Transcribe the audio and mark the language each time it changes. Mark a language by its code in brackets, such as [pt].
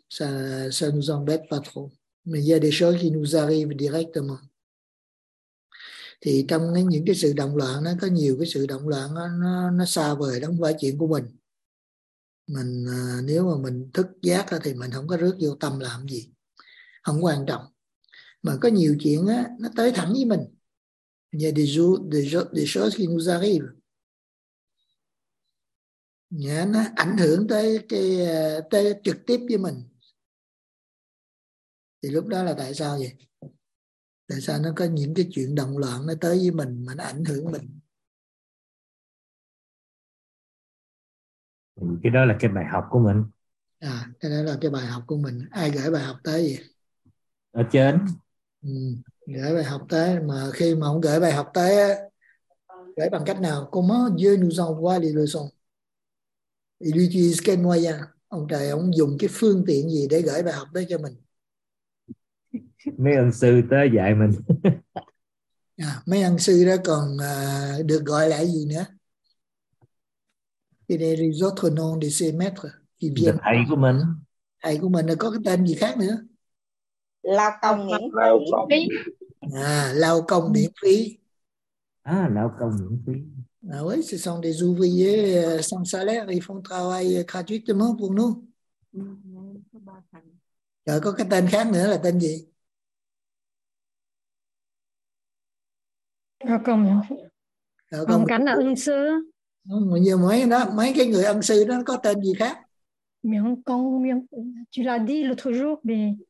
[fr] Ça ne nous embête pas trop. Mais il y a des choses qui nous arrivent directement. [vi] Thì trong những cái sự động loạn nó có nhiều cái sự động loạn nó xa vời, nó không phải chuyện của mình. Mình nếu mà mình thức giác thì mình không có rước vô tâm làm gì, không quan trọng. Mà có nhiều chuyện á nó tới thẳng với mình. [fr] Il y a des choses qui nous arrivent. [vi] Yeah, nó ảnh hưởng tới trực tiếp với mình. Thì lúc đó là tại sao vậy? Tại sao nó có những cái chuyện động loạn nó tới với mình mà nó ảnh hưởng mình? Cái đó là cái bài học của mình. À, cái đó là cái bài học của mình. Ai gửi bài học tới vậy? Ở trên. Ừ, gửi bài học tới. Mà khi mà ông gửi bài học tới, gửi bằng cách nào? [fr] Comment Dieu nous envoie les leçons? Il utilise quel moyen? [vi] Ông trời, ông dùng cái phương tiện gì để gửi bài học tới cho mình? Mấy ân sư tới dạy mình. À, mấy ân sư đó còn được gọi là gì nữa? Thì đây là do thần ông để xem mét thì biết. Thầy của mình. Thầy của mình là có cái tên gì khác nữa? Lao công miễn phí. À, lao công miễn phí. À, lao công miễn phí. [fr] À, oui, ce sont des ouvriers sans salaire. Ils font travail gratuitement pour nous. [vi] Rồi có cái tên khác nữa là tên gì? Công cảnh là ân sư. Nhiều mấy đó, mấy cái người ân sư đó có tên gì khác? Miễn công, miễn [fr] tu l'as dit l'autre jour, mais